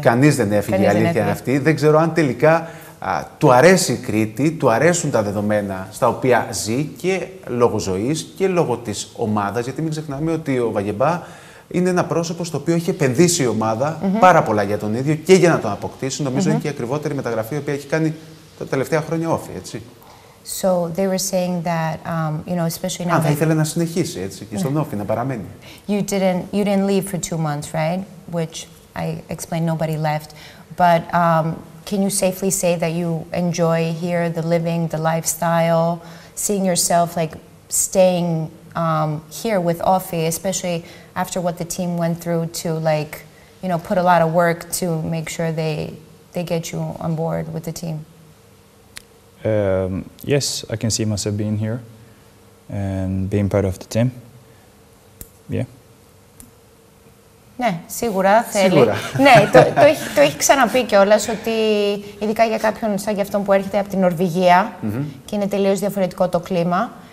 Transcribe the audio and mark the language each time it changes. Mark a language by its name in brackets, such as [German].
[Greek] Κανείς δεν έφυγε, η αλήθεια είναι αυτή. Δεν ξέρω αν τελικά του αρέσει η Κρήτη, του αρέσουν τα δεδομένα στα οποία ζει και λόγω ζωής και λόγω της ομάδας. Γιατί μην ξεχνάμε ότι ο Βαγεμπά είναι ένα πρόσωπο στο οποίο έχει επενδύσει η ομάδα πάρα πολλά για τον ίδιο και για να τον αποκτήσει. Νομίζω είναι και η ακριβότερη μεταγραφή η οποία έχει κάνει τα τελευταία χρόνια όφη, έτσι. [English] So they were saying that, you know, especially now. [Greek] Αν θα ήθελε να συνεχίσει έτσι και στον όφη να παραμένει. [English] You didn't leave for 2 months, right? Which I explained nobody left. But can you safely say that you enjoy here the living, the lifestyle, seeing yourself like staying here with Offi, especially after what the team went through to, like, you know, put a lot of work to make sure they they get you on board with the team? Yes, I can see myself being here and being part of the team. Yeah. [Greek] Ναι, σίγουρα θέλει. Σίγουρα. Ναι, το έχει ξαναπεί κιόλας ότι ειδικά για κάποιον σαν για αυτόν που έρχεται από την Νορβηγία και είναι τελείως διαφορετικό το κλίμα.